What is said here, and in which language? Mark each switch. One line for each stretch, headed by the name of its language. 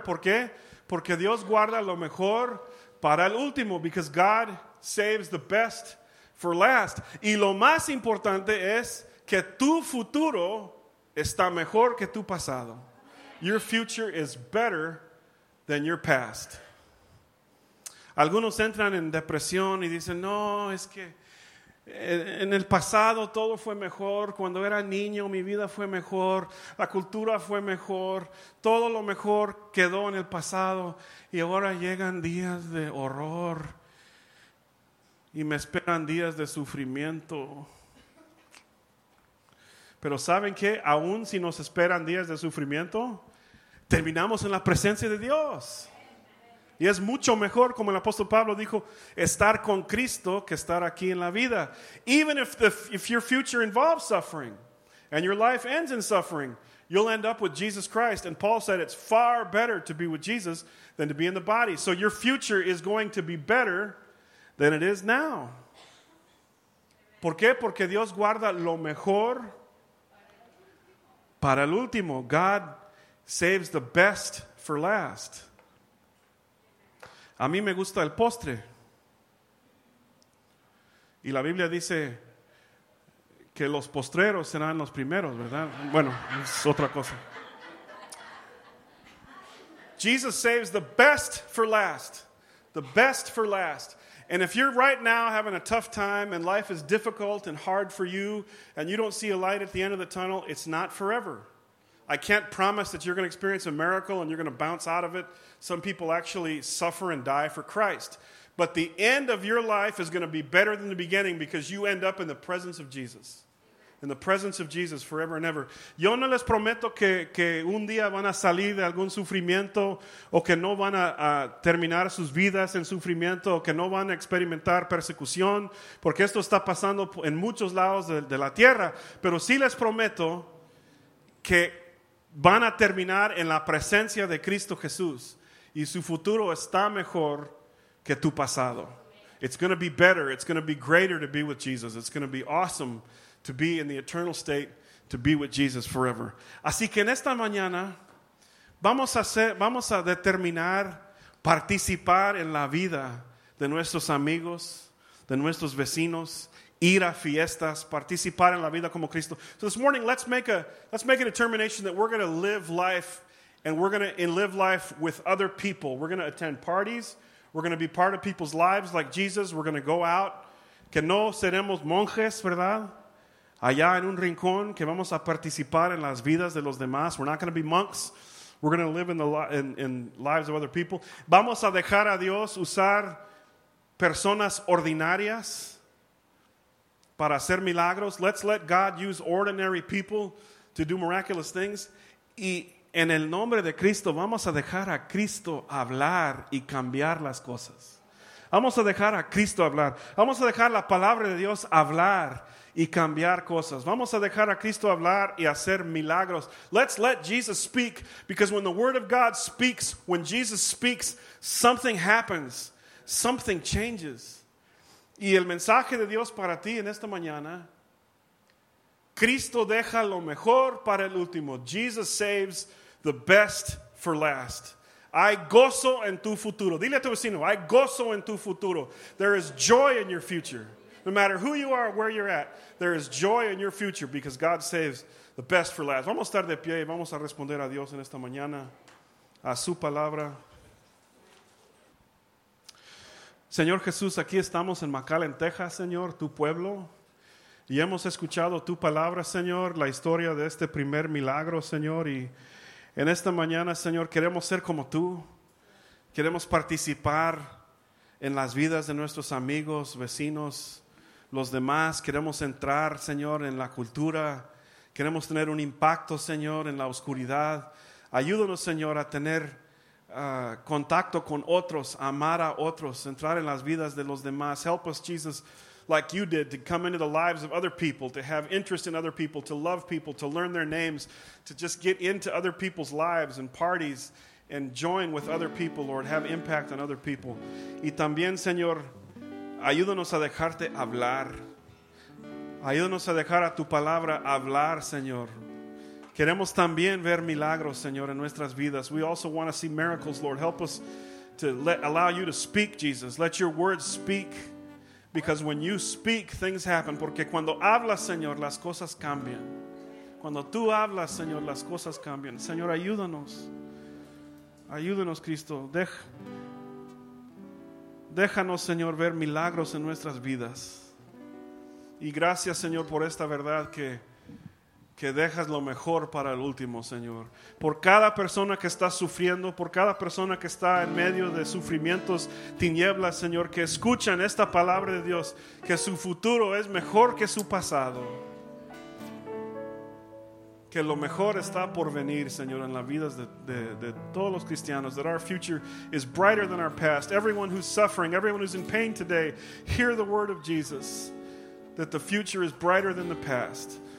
Spanish: ¿Por qué? Porque Dios guarda lo mejor para el último.
English: Because God saves the best for last.
Spanish: Y lo más importante es que tu futuro está mejor que tu pasado.
English: Your future is better than your past.
Spanish: Algunos entran en depresión y dicen, no, es que en el pasado todo fue mejor. Cuando era niño mi vida fue mejor, la cultura fue mejor, todo lo mejor quedó en el pasado. Y ahora llegan días de horror y me esperan días de sufrimiento. Pero ¿saben qué? Aún si nos esperan días de sufrimiento, terminamos en la presencia de Dios. Y es mucho mejor, como el apóstol Pablo dijo, estar con Cristo que estar aquí en la vida.
English: Even if your future involves suffering and your life ends in suffering, you'll end up with Jesus Christ. And Paul said it's far better to be with Jesus than to be in the body. So your future is going to be better than it is now.
Spanish: ¿Por qué? Porque Dios guarda lo mejor para el último.
English: God saves the best for last.
Spanish: A mí me gusta el postre. Y la Biblia dice que los postreros serán los primeros, ¿verdad? Bueno, es otra cosa.
English: Jesus saves the best for last. The best for last. And if you're right now having a tough time and life is difficult and hard for you and you don't see a light at the end of the tunnel, it's not forever. I can't promise that you're going to experience a miracle and you're going to bounce out of it. Some people actually suffer and die for Christ. But the end of your life is going to be better than the beginning because you end up in the presence of Jesus. In the presence of Jesus forever and ever.
Spanish: Yo no les prometo que un día van a salir de algún sufrimiento o que no van a terminar sus vidas en sufrimiento o que no van a experimentar persecución, porque esto está pasando en muchos lados de la tierra. Pero sí les prometo que van a terminar en la presencia de Cristo Jesús y su futuro está mejor que tu pasado.
English: It's going to be better. It's going to be greater to be with Jesus. It's going to be awesome to be in the eternal state, to be with Jesus forever.
Spanish: Así que en esta mañana vamos a determinar participar en la vida de nuestros amigos, de nuestros vecinos, ir a fiestas, participar en la vida como Cristo.
English: So this morning, let's make a determination that we're going to live life and we're going to live life with other people. We're going to attend parties. We're going to be part of people's lives like Jesus. We're going to go out.
Spanish: Que no seremos monjes, ¿verdad? Allá en un rincón, que vamos a participar en las vidas de los demás.
English: We're not going to be monks. We're going to live in lives of other people.
Spanish: Vamos a dejar a Dios usar personas ordinarias para hacer milagros.
English: Let's let God use ordinary people to do miraculous things.
Spanish: Y en el nombre de Cristo, vamos a dejar a Cristo hablar y cambiar las cosas. Vamos a dejar a Cristo hablar. Vamos a dejar la palabra de Dios hablar y cambiar cosas. Vamos a dejar a Cristo hablar y hacer milagros.
English: Let's let Jesus speak, because when the word of God speaks, when Jesus speaks, something happens. Something changes.
Spanish: Y el mensaje de Dios para ti en esta mañana, Cristo deja lo mejor para el último.
English: Jesus saves the best for last.
Spanish: Hay gozo en tu futuro. Dile a tu vecino, hay gozo en tu futuro.
English: There is joy in your future. No matter who you are, where you're at, there is joy in your future because God saves the best for last.
Spanish: Vamos a estar de pie y vamos a responder a Dios en esta mañana, a su palabra. Señor Jesús, aquí estamos en McAllen, Texas, Señor, tu pueblo. Y hemos escuchado tu palabra, Señor, la historia de este primer milagro, Señor. Y en esta mañana, Señor, queremos ser como tú. Queremos participar en las vidas de nuestros amigos, vecinos, los demás. Queremos entrar, Señor, en la cultura. Queremos tener un impacto, Señor, en la oscuridad. Ayúdanos, Señor, a tener contacto con otros, amar a otros, entrar en las vidas de los demás.
English: Help us, Jesus, like you did, to come into the lives of other people, to have interest in other people, to love people, to learn their names, to just get into other people's lives and parties and join with other people, Lord, have impact on other people.
Spanish: Y también, Señor, ayúdanos a dejarte hablar. Ayúdanos a dejar a tu palabra hablar, Señor. Queremos también ver milagros, Señor, en nuestras vidas.
English: We also want to see miracles, Lord. Help us to allow you to speak, Jesus. Let your word speak, because when you speak, things happen.
Spanish: Porque cuando hablas, Señor, las cosas cambian. Cuando tú hablas, Señor, las cosas cambian. Señor, ayúdanos. Ayúdanos, Cristo. Déjanos, Señor, ver milagros en nuestras vidas. Y gracias, Señor, por esta verdad que dejas lo mejor para el último, Señor. Por cada persona que está sufriendo, por cada persona que está en medio de sufrimientos, tinieblas, Señor, que escuchan esta palabra de Dios, que su futuro es mejor que su pasado. Que lo mejor está por venir, Señor, en las vidas de todos los cristianos.
English: That our future is brighter than our past. Everyone who's suffering, everyone who's in pain today, hear the word of Jesus. That the future is brighter than the past.